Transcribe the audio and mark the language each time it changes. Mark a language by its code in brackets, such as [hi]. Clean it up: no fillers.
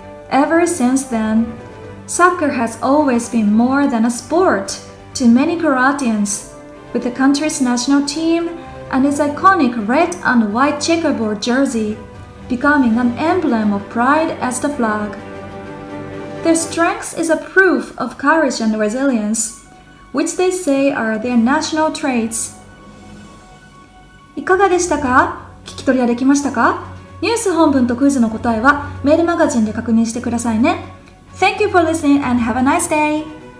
[en] Ever since then, soccer has always been more than a sport to many Croatians, with the country's national team and its iconic red and white checkerboard jersey becoming an emblem of pride as the flag. Their strength is a proof of courage and resilience, which they say are their national traits. [ja] いかがでしたか？聞き取りはできましたか？ニュース本文とクイズの答えはメールマガジンで確認してくださいね。 [en] Thank you for listening and have a nice day!